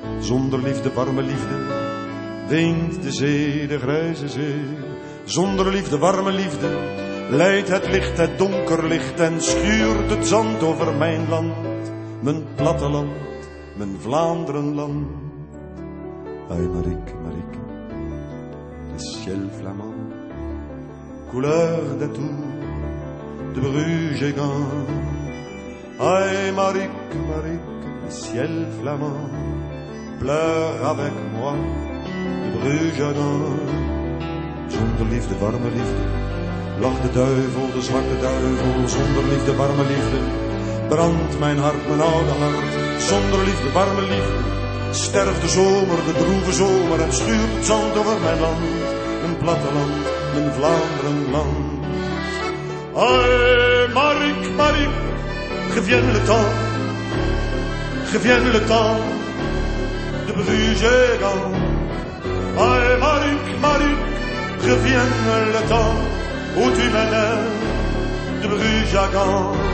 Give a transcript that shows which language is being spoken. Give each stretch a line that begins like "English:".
Dutch: Zonder liefde, warme liefde, wint de zee, de grijze zee. Zonder liefde, warme liefde, leidt het licht, het donker licht. En schuurt het zand over mijn land, mijn platteland, mijn Vlaanderenland.
French: Ay Marieke, Marieke, le ciel flamand, couleur de tour, de Bruges et Gand. Ay Marieke, Marieke, le ciel flamand, pleure avec moi, de Bruges à Gand.
Dutch: Zonder liefde, warme liefde, lacht de duivel, de zwarte duivel. Zonder liefde, warme liefde, brandt mijn hart, mijn oude hart. Zonder liefde, warme liefde, sterft de zomer, de droeve zomer. En schuurt het zand over mijn land, mijn platteland, mijn Vlaanderenland.
French: Ay, Marieke, Marieke, je viens le temps, je viens le temps. De Bruges et Gand. Aïe Marieke, Marieke, revienne le temps où tu m'aimais de Bruges à Gand.